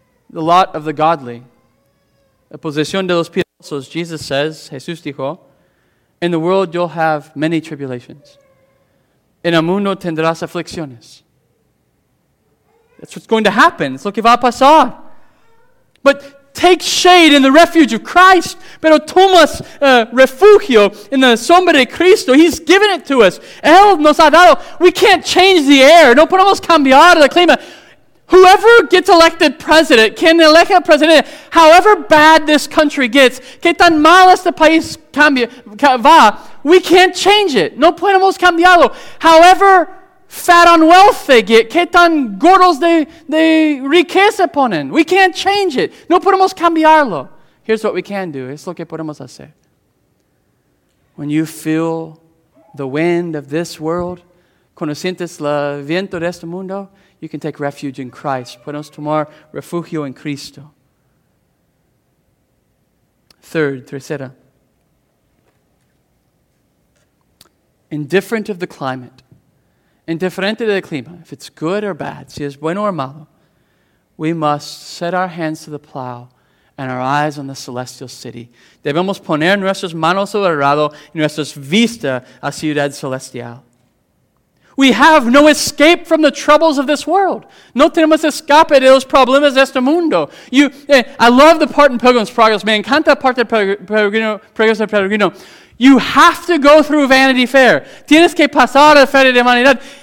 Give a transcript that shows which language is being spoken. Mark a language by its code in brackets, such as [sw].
[en] The lot of the godly. La posición de los piadosos, Jesus says, Jesús dijo, in the world you'll have many tribulations. [es] En el mundo tendrás aflicciones. That's what's going to happen. It's lo que va a pasar. [en] But take shade in the refuge of Christ. [es] Pero tomas refugio en la sombra de Cristo. [en] He's given it to us. Él nos ha dado. We can't change the air. [es] No podemos cambiar el clima. Whoever gets elected president, quien elige presidente, however bad this country gets, que tan mal este país cambia, va, we can't change it. [en] No podemos cambiarlo. However fat on wealth they get, que tan gordos de riqueza ponen, we can't change it. [es] No podemos cambiarlo. Here's what we can do. Es lo que podemos hacer. [en] When you feel the wind of this world, cuando sientes el viento de este mundo, you can take refuge in Christ. [es] Podemos tomar refugio en Cristo. [en] Third, tercera. Indifferent of the climate. Indiferente del clima. If it's good or bad. Si es bueno o malo. We must set our hands to the plow and our eyes on the celestial city. [es] Debemos poner nuestras manos sobre el arado y nuestras vistas a ciudad celestial. [en] We have no escape from the troubles of this world. [es] No tenemos escape de los problemas de este mundo. I love the part in Pilgrim's Progress. Me encanta parte de Progreso del Peregrino. You have to go through Vanity Fair. Tienes que pasar a la Feria de Vanidad.